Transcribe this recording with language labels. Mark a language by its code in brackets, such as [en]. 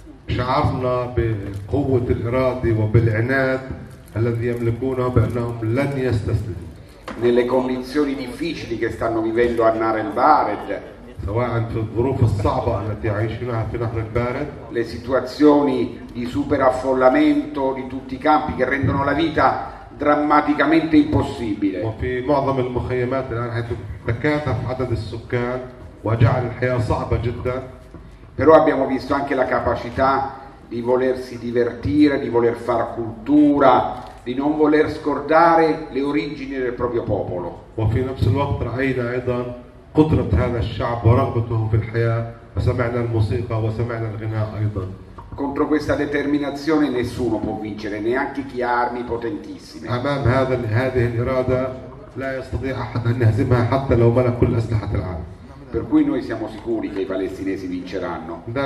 [ar] شعرنا بقوة الإرادة وبالعناد الذي يملكونه بأنهم لن يستسلموا. [it] Nelle condizioni difficili che stanno vivendo a Nahr el-Bared. [ar] سواء في الظروف الصعبة التي يعيشونها في نهر البارد. [it] Le situazioni di superaffollamento di tutti i campi che rendono la vita drammaticamente impossibile. [ar] وفي معظم المخيمات الآن حيث تكاثف عدد السكان وجعل الحياة صعبة جدا. [it] Però abbiamo visto anche la capacità di volersi divertire, di voler far cultura, di non voler scordare le origini del proprio popolo. [ar] وفي نفس الوقت رأينا أيضا قدرة هذا الشعب ورغبته في الحياة وسمعنا الموسيقى وسمعنا الغناء أيضا. [it] Contro questa determinazione nessuno può vincere, neanche chi ha armi potentissime. [ar] أمام هذه الإرادة لا يستطيع أحد أن يهزمها حتى لو ملك كل أسلحة العالم. [it] Per cui noi siamo sicuri che i palestinesi vinceranno.